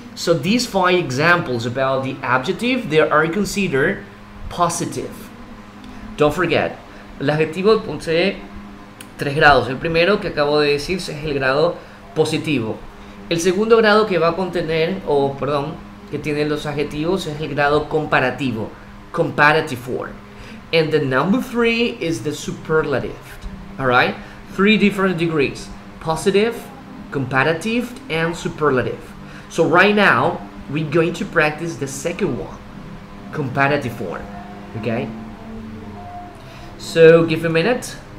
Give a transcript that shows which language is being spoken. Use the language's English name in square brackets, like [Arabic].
[English] So these five examples about the adjective, they are considered positive. [Spanish] Don't forget, el adjetivo posee tres grados. El primero que acabo de decir es el grado positivo. El segundo grado que va a contener, o perdón, que tienen los adjetivos es el grado comparativo, comparative form. [English] And the number three is the superlative. All right, three different degrees: positive, comparative, and superlative. So right now we're going to practice the second one, comparative form. Okay, so give a minute.